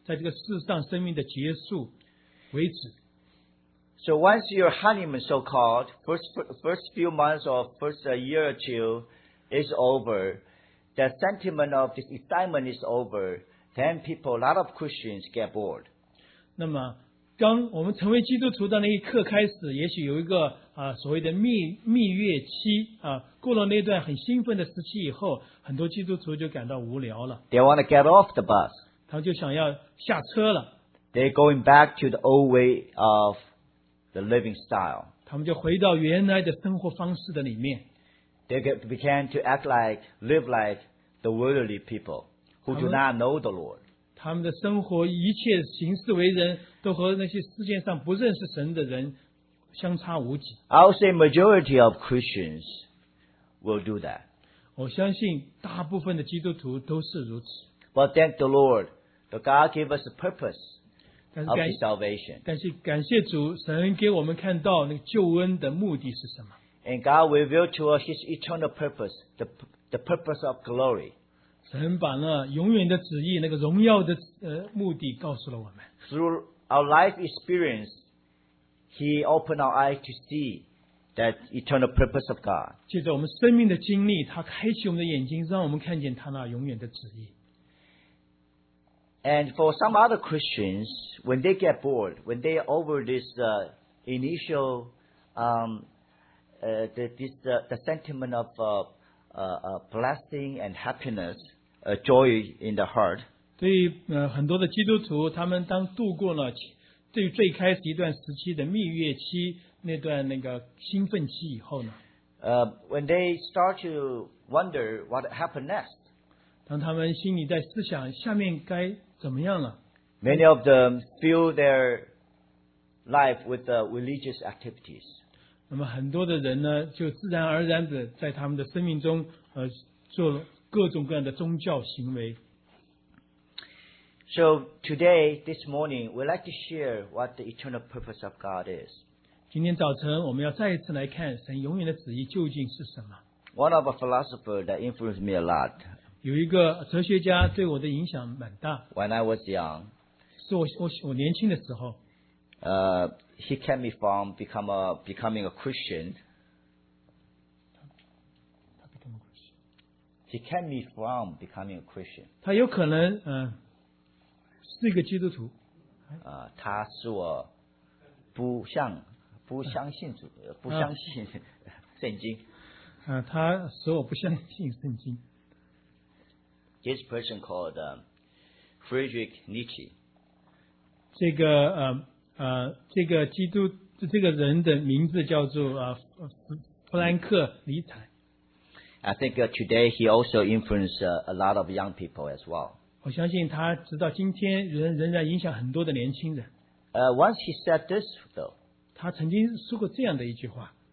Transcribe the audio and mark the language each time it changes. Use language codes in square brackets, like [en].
[zh] 从上面重生的那一刻开始，一直到你在这个世上生命的结束为止。 [en] So once your honeymoon, so-called, first few months or first year or two is over, the sentiment of the excitement is over, then people, a lot of Christians get bored. [zh] 那么刚我们成为基督徒的那一刻开始，也许有一个所谓的蜜月期过了那段很兴奋的时期以后，很多基督徒就感到无聊了。 [en] They want to get off the bus. [zh] 他们就想要下车了。 [en] They're going back to the old way of the living style. [zh] 他们就回到原来的生活方式的里面。 [en] They began to act like, live like the worldly people who do not know the Lord. [zh] 他们的生活一切行事为人都和那些世界上不认识神的人相差无几。 [en] I'll say majority of Christians will do that. [zh] 我相信大部分的基督徒都是如此。 [en] But thank the Lord, the God gave us a purpose of his salvation. [zh] 但是感谢主，神给我们看到那个救恩的目的是什么。 [en] And God revealed to us His eternal purpose, the purpose of glory. [zh] 神把那永远的旨意，那个荣耀的目的告诉了我们。 [en] Through our life experience, He opened our eyes to see that eternal purpose of God. [zh] 借着我们生命的经历，他开启我们的眼睛，让我们看见他那永远的旨意。 [en] And for some other Christians, when they get bored, when they are over this initial the sentiment of blessing and happiness, joy in the heart. [zh] 对很多的基督徒，他们当度过了最开始一段时期的蜜月期，那段那个兴奋期以后呢？ [en] When they start to wonder what happened next. [zh] 当他们心里在思想下面该怎么样了 [en] ？Many of them fill their life with religious activities. [zh] 那么很多的人呢，就自然而然的在他们的生命中，做各种各样的宗教行为。 [en] So today, this morning, we'd like to share what the eternal purpose of God is. [zh] 今天早晨，我们要再一次来看神永远的旨意究竟是什么。 [en] One of a philosopher that influenced me a lot. [zh] 有一个哲学家对我的影响蛮大。 [en] When I was young, [zh] 是我年轻的时候。 [en] He kept me from becoming a Christian. He kept me from becoming a Christian. [zh] 他有可能是一个基督徒。他是我不相信主，不相信圣经。他使我不相信圣经。 [en] This person called Friedrich Nietzsche. [zh] 这个这个基督这个人的名字叫做弗兰克尼采。 [en] I think today he also influenced a lot of young people as well. [zh] 我相信他直到今天仍然影响很多的年轻人。 [en] Once he said this though. [zh] 他曾经说过这样的一句话。